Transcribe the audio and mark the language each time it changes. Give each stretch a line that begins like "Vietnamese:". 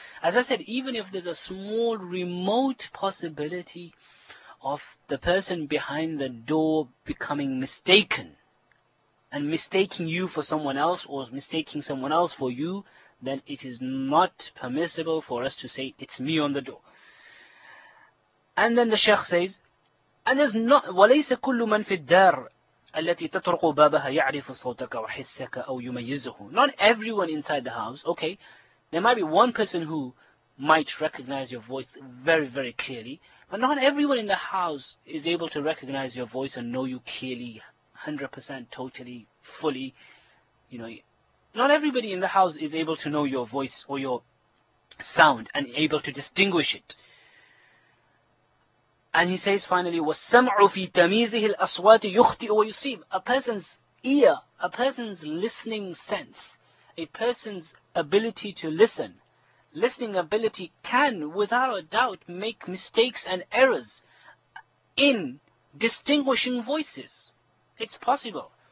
English: As I said, even if there's a small remote possibility of the person behind the door becoming mistaken, and mistaking you for someone else, or mistaking someone else for you, then it is not permissible for us to say, it's me on the door. And then the Shaykh says, and there's not,
Arabic: وَلَيْسَ كُلُّ مَنْ فِي الدَّارِ الَّتِي تَطْرُقُ بَابَهَا يَعْرِفُ صَوْتَكَ وَحِسَّكَ أَوْ يُمَيِّزُهُ.
English: Not everyone inside the house, okay, there might be one person who might recognize your voice very, very clearly, but not everyone in the house is able to recognize your voice and know you clearly, 100%, totally, fully. Not everybody in the house is able to know your voice or your sound and able to distinguish it. And he says finally,
Arabic: وَالسَّمْعُ فِي تَمِيزِهِ الْأَصْوَاتِ يُخْتِئُ وَيُصِيبُ.
English: A person's ear, a person's listening sense, a person's ability to listen, listening ability can, without a doubt, make mistakes and errors in distinguishing voices. It's possible.